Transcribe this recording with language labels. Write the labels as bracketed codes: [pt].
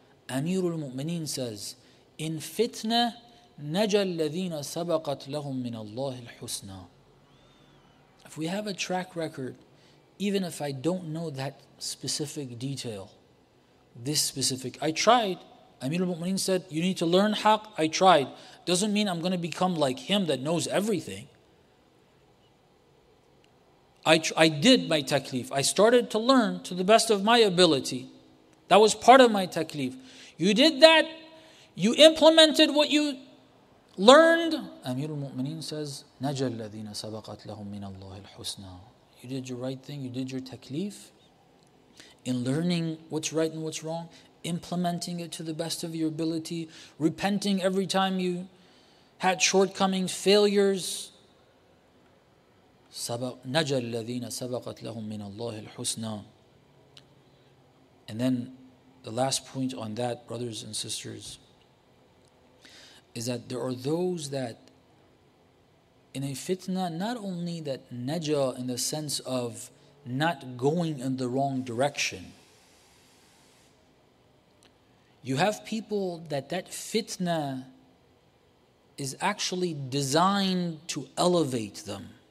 [en] Amirul Mu'mineen says, in fitna, [ar] نَجَى الَّذِينَ سَبَقَتْ لَهُمْ مِنَ اللَّهِ الْحُسْنَى. [en] If we have a track record, even if I don't know that specific detail, this specific, I tried. Amir al-Mu'mineen said, you need to learn haqq. I tried. Doesn't mean I'm going to become like him that knows everything. I did my taklif. I started to learn to the best of my ability. That was part of my taklif. You did that. You implemented what you learned. Amir al-Mu'mineen says, [ar] نَجَى الَّذِينَ سَبَقَتْ لَهُمْ مِنَ اللَّهِ الْحُسْنَى. [en] You did your right thing, you did your taklif, in learning what's right and what's wrong, implementing it to the best of your ability, repenting every time you had shortcomings, failures. [ar] سبق نجا الذين سبقت لهم من الله الحسنى. [en] And then the last point on that, brothers and sisters, is that there are those that in a fitna, not only that naja in the sense of not going in the wrong direction, you have people that fitna is actually designed to elevate them.